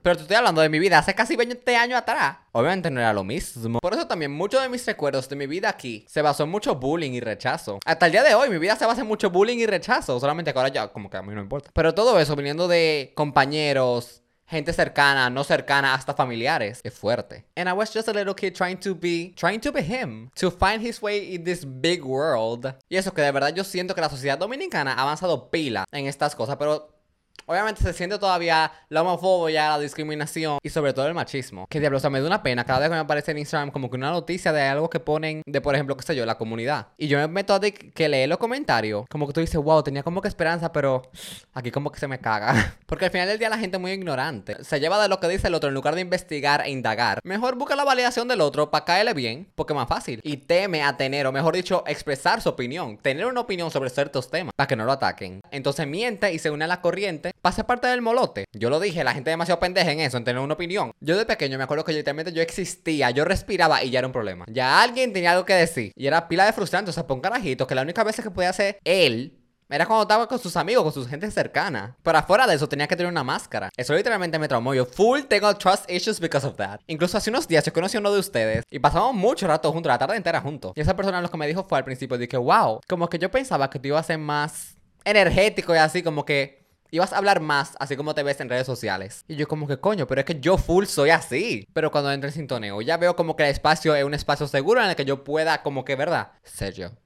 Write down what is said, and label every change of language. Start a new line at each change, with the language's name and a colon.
Spanish: Pero te estoy hablando de mi vida hace casi 20 años atrás. Obviamente no era lo mismo. Por eso también muchos de mis recuerdos de mi vida aquí se basó en mucho bullying y rechazo. Hasta el día de hoy mi vida se basa en mucho bullying y rechazo. Solamente que ahora ya como que a mí no importa. Pero todo eso viniendo de compañeros, gente cercana, no cercana, hasta familiares. Es fuerte.
English: And I was just a little kid trying to be him. To find his way in this big world.
Spanish: Y eso que de verdad yo siento que la sociedad dominicana ha avanzado pila en estas cosas. Pero obviamente se siente todavía la homofobia, la discriminación y sobre todo el machismo. Que diablo, o sea, me da una pena cada vez que me aparece en Instagram como que una noticia de algo que ponen de, por ejemplo, qué sé yo, la comunidad. Y yo me meto a que leer los comentarios, como que tú dices, wow, tenía como que esperanza, pero aquí como que se me caga. Porque al final del día la gente es muy ignorante. Se lleva de lo que dice el otro en lugar de investigar e indagar. Mejor busca la validación del otro para caerle bien, porque es más fácil. Y teme a tener, o mejor dicho, expresar su opinión. Tener una opinión sobre ciertos temas para que no lo ataquen. Entonces miente y se une a la corriente. Pasa parte del molote. Yo lo dije, la gente es demasiado pendeja en eso, en tener una opinión. Yo de pequeño me acuerdo que literalmente yo existía, yo respiraba y ya era un problema. Ya alguien tenía algo que decir. Y era pila de frustrante, o sea, pon carajito, que la única vez que podía ser él era cuando estaba con sus amigos, con su gente cercana. Pero afuera de eso tenía que tener una máscara. Eso literalmente me traumó. Yo full tengo
English: trust issues because of that.
Spanish: Incluso hace unos días yo conocí a uno de ustedes y pasamos mucho rato juntos, la tarde entera juntos. Y esa persona lo que me dijo fue al principio, dije, wow, como que yo pensaba que tú ibas a ser más energético y así, como que ibas a hablar más, así como te ves en redes sociales. Y yo como que, coño, pero es que yo full soy así. Pero cuando entro en sintoneo, ya veo como que el espacio es un espacio seguro en el que yo pueda como que, ¿verdad? Ser yo.